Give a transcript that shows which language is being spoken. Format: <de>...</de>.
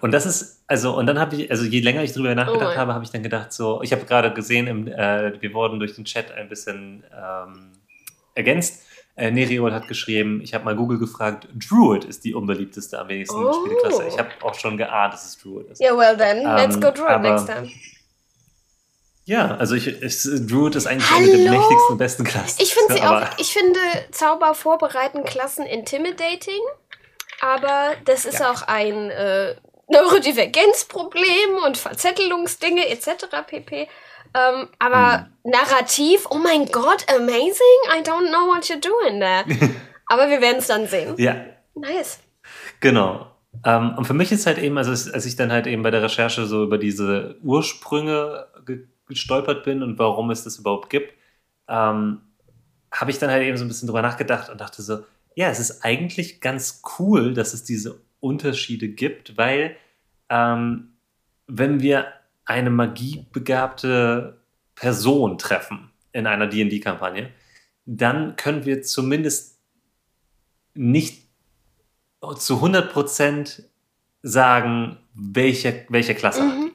<de>Und das ist, also, und dann habe ich, also je länger ich drüber nachgedacht habe, habe ich dann gedacht, so, ich habe gerade gesehen, wir wurden durch den Chat ein bisschen ergänzt. Neriol hat geschrieben, ich habe mal Google gefragt, Druid ist die unbeliebteste am wenigsten oh. Spielklasse. Ich habe auch schon geahnt, dass es Druid ist.</de> <en>Ja, yeah, well then, let's go Druid aber, next time.</en> <de>Ja, also Druid ist eigentlich eine der mächtigsten, besten Klassen. Ich finde sie aber, auch, ich finde Zauber vorbereiten Klassen intimidating, aber das ist ja. auch ein Neurodivergenzproblem und Verzettelungsdinge etc. pp. Aber narrativ, oh mein Gott,</de> <en>amazing, I don't know what you're doing there.</en> <de>Aber wir werden es dann sehen. Ja. Nice. Genau. Und für mich ist halt eben, also als ich dann halt eben bei der Recherche so über diese Ursprünge gestolpert bin und warum es das überhaupt gibt, habe ich dann halt eben so ein bisschen drüber nachgedacht und dachte so, ja, es ist eigentlich ganz cool, dass es diese Unterschiede gibt, weil wenn wir eine magiebegabte Person treffen in einer D&D-Kampagne, dann können wir zumindest nicht zu 100% sagen, welche Klasse hat.</de>